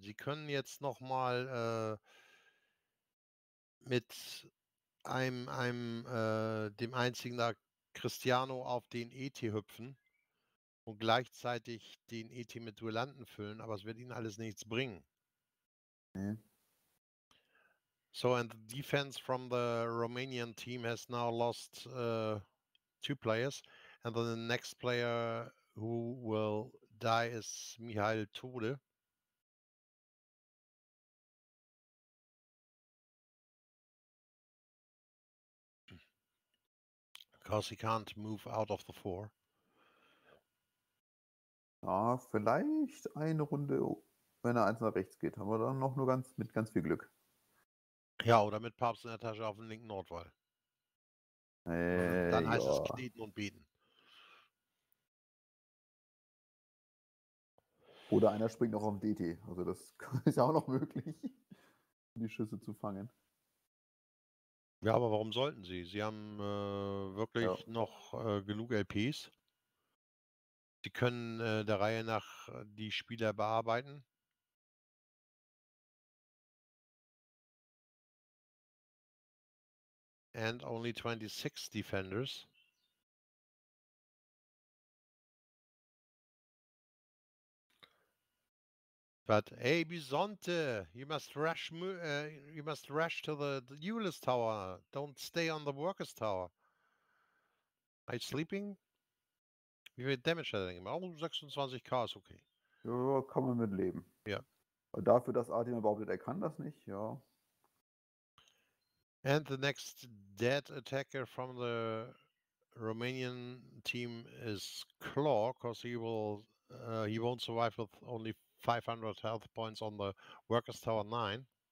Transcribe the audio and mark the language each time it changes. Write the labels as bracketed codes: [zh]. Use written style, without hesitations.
[de] Sie können jetzt nochmal mit dem einzigen da Cristiano auf den ET hüpfen und gleichzeitig den ET mit Duellanten füllen, aber es wird ihnen alles nichts bringen. Mhm. [en] So, and the defense from the Romanian team has now lost two players. And then the next player who will die is Mihail Tode. Because he can't move out of the four. [de] Ja, vielleicht eine Runde, wenn er eins nach rechts geht. Haben wir dann noch nur ganz mit ganz viel Glück. Ja, oder mit Papst in der Tasche auf dem linken Nordwall. Dann heißt es kneten und beten. Oder einer springt noch auf den DT. Also das ist auch noch möglich, die Schüsse zu fangen. Ja, aber warum sollten sie? Sie haben wirklich noch genug LPs. Sie können der Reihe nach die Spieler bearbeiten. [en] And only 26 defenders. But hey, Bisonte, you must rush to the Duelist Tower. Don't stay on the Workers Tower. Are you sleeping? [de] Wie viel Damage hat er denn gemacht? Oh, 26k ist okay. Ja, kann man mit leben. Ja. [en] Yeah. [de] Dafür, dass Artyom behauptet, er kann das nicht, ja. [en] And the next dead attacker from the Romanian team is Claw, because he won't survive with only 500 health points on the Workers Tower 9.